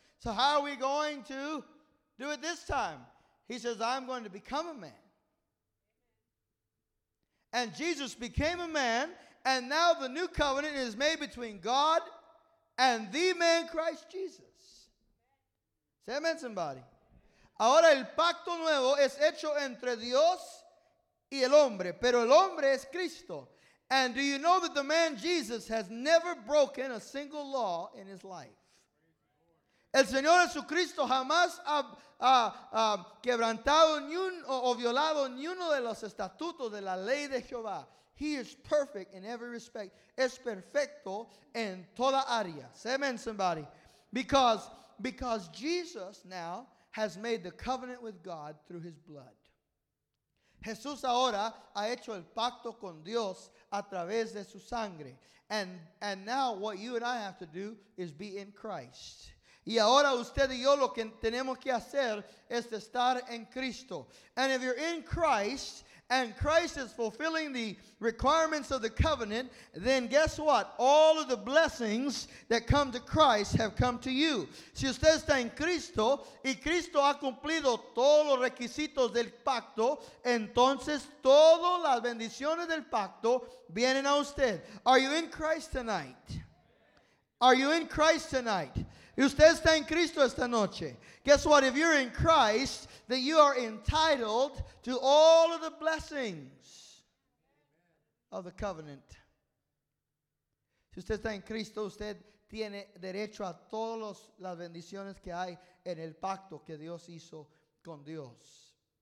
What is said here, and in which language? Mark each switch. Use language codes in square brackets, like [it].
[en] So how are we going to do it this time? He says, I'm going to become a man. And Jesus became a man, and now the new covenant is made between God and the man, Christ Jesus. Say amen, somebody. [es] Ahora el pacto nuevo es hecho entre Dios y el hombre, pero el hombre es Cristo. [en] And do you know that the man Jesus has never broken a single law in his life? [es] El Señor Jesucristo jamás ha quebrantado ni un, o violado ni uno de los estatutos de la ley de Jehová. [en] He is perfect in every respect. [es] Es perfecto en toda área. [en] Amen, somebody. Because Jesus now has made the covenant with God through his blood. [es] Jesús ahora ha hecho el pacto con Dios a través de su sangre. [en] And now what you and I have to do is be in Christ. [es] Y ahora usted y yo lo que tenemos que hacer es estar en Cristo. [en] And if you're in Christ, and Christ is fulfilling the requirements of the covenant, then guess what? All of the blessings that come to Christ have come to you. [es] Si usted está en Cristo, y Cristo ha cumplido todos los requisitos del pacto, entonces todas las bendiciones del pacto vienen a usted. [en] Are you in Christ tonight? Are you in Christ tonight? [es] Usted está en Cristo esta noche. [en] Guess what? If you're in Christ, then you are entitled to all of the blessings of the covenant. [es] Si usted está en Cristo, usted tiene derecho a todas las bendiciones que hay en el pacto que Dios hizo con Dios.